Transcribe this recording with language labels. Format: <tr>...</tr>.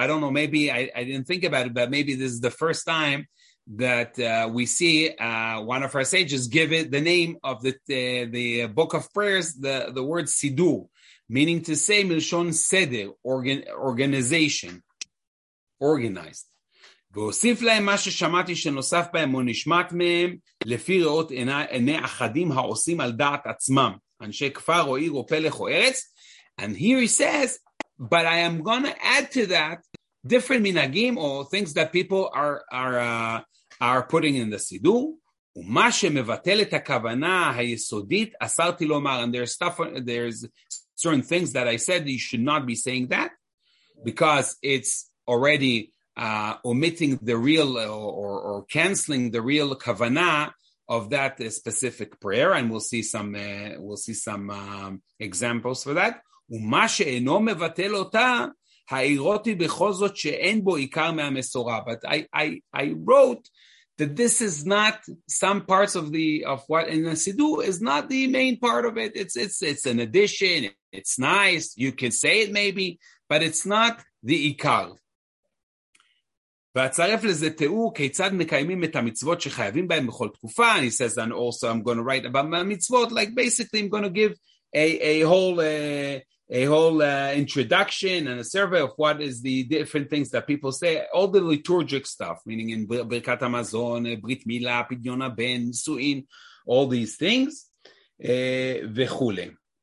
<en>I don't know, maybe I didn't think about it, but maybe this is the first time that we see one of our sages give it the name of the book of prayers, the word sidur, meaning to say</en> <he>milshon seder,</he> <en>organization, organized.</en> <he>ואוסיף להם מה ששמעתי שנוסף בהם או נשמעת מהם לפי ראות עיני אחדים העושים על דעת עצמם, אנשי כפר או עיר או פלך או ארץ.</he> <en>And here he says, but I am going to add to that different minagim or things that people are putting in the sidur.</en> <he>ומה שמבטל את הכוונה היסודית, אסרתי לומר,</he> <en>and there's certain things that I said you should not be saying that, because it's already omitting the real or canceling the real kavana of that specific prayer, and we'll see some examples for that.</en> <he>ומה שאינו מבטל אותה, העירותי בכל זאת שאין בו עיקר מהמסורה.</he> <en>But I wrote that this is not some parts of what in the Siddur is not the main part of it. It's an addition. It's nice. You can say it maybe, but it's not the עיקר.</en> <he>ואצרף לזה תיאור כיצד מקיימים את המצוות שחייבים בהם בכל תקופה.</he> <en>And he says, and also I'm going to write about my mitzvot. Like basically I'm going to give a whole introduction and a survey of what is the different things that people say, all the liturgic stuff, meaning in Birkat HaMazon, Brit Milah, Pidyon HaBen, Suin, all these things, v'chule.</en>